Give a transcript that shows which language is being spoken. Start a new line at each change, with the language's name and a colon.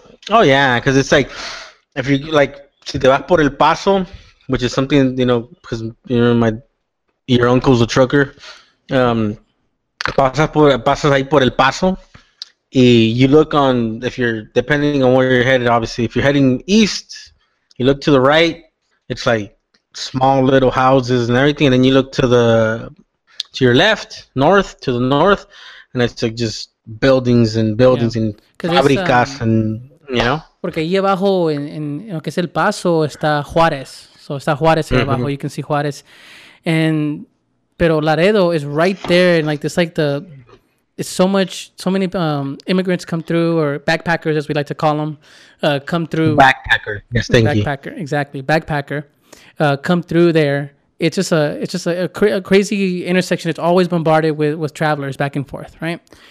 English: Oh, yeah, because it's like, if you, like,
Spanish: si te vas por El Paso,
English: which is something, you know, because, you know, your uncle's a trucker,
Spanish: pasas ahí por El Paso,
English: and you look on, if you're, depending on where you're headed, obviously, if you're heading east, you look to the right, it's like small little houses and everything, and then you look to your left, north, to the north, and it's like just buildings and buildings, yeah. And fabricas, and, you know.
Spanish: Porque ahí abajo, en lo que es El Paso, está Juárez.
English: So
Spanish: está Juárez ahí abajo,
English: you can see Juárez.
Spanish: Pero
English: Laredo is right there, and like, it's like so many immigrants come through, or backpackers, as we like to call them, come through. Backpacker, yes, thank you. Backpacker, exactly, backpacker, come through there. It's just a crazy intersection. It's always bombarded with travelers back and forth, right?